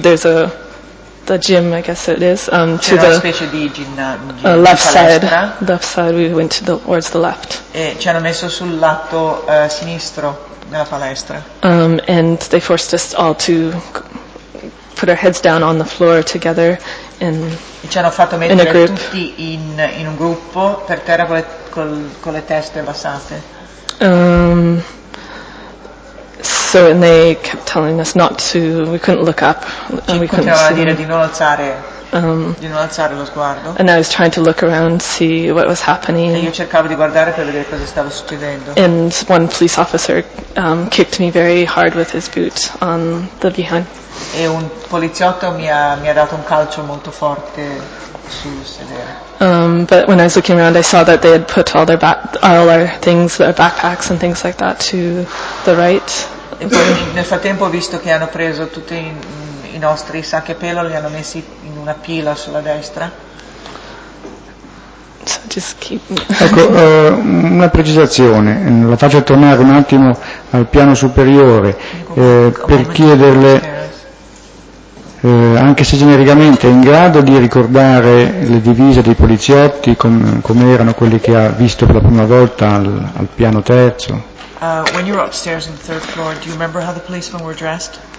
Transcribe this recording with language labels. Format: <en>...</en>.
<en>There's a the gym, I guess it is, to the left side. Left side. We went towards the left.</en> <it>E ci hanno messo sul lato sinistro nella palestra.</it> <en>And they forced us all to put our heads down on the floor together,</en> <it>ci hanno fatto mettere tutti in un gruppo per terra con le teste abbassate.</it> <en>So and they kept telling us not to. We couldn't look up, and we couldn't see.</en> <it>Dire di non alzare, di non alzare lo sguardo.</it> <en>And I was trying to look around, see what was happening.</en> <it>E io cercavo di guardare per vedere cosa stava succedendo.</it> <en>And one police officer kicked me very hard with his boot on the behind.</en> <it>E un poliziotto mi ha dato un calcio molto forte sul sedere.</it> <en>But when I was looking around, I saw that they had put all their all our things, their backpacks and things like that, to the right.</en> <it>E poi nel frattempo ho visto che hanno preso tutti i nostri sacchi a pelo, li hanno messi in una pila sulla destra.</it> <en>So just keep...</en> <it>Ecco, una precisazione, la faccio tornare un attimo al piano superiore per chiederle anche se genericamente è in grado di ricordare le divise dei poliziotti, come erano quelli che ha visto per la prima volta al piano terzo.</it> <en>When you were upstairs on the third floor, do you remember how the policemen were dressed?</en>